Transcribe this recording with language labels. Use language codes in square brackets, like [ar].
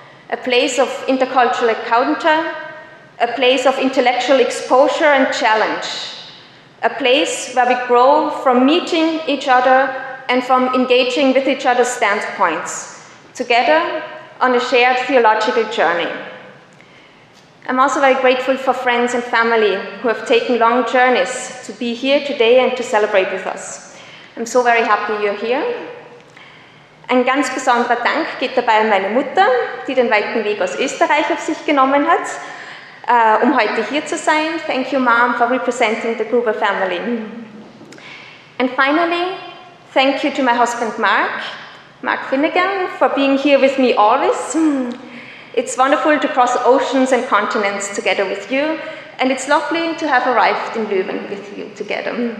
[en] A place of intercultural encounter, a place of intellectual exposure and challenge, a place where we grow from meeting each other and from engaging with each other's standpoints, together on a shared theological journey. I'm also very grateful for friends and family who have taken long journeys to be here today and to celebrate with us. I'm so very happy you're here. [de] Ein ganz besonderer Dank geht dabei an meine Mutter, die den weiten Weg aus Österreich auf sich genommen hat, um heute hier zu sein. [en] Thank you, Mom, for representing the Gruber family. And finally, thank you to my husband, Mark Finnegan, for being here with me always. It's wonderful to cross oceans and continents together with you, and it's lovely to have arrived in Leuven with you together.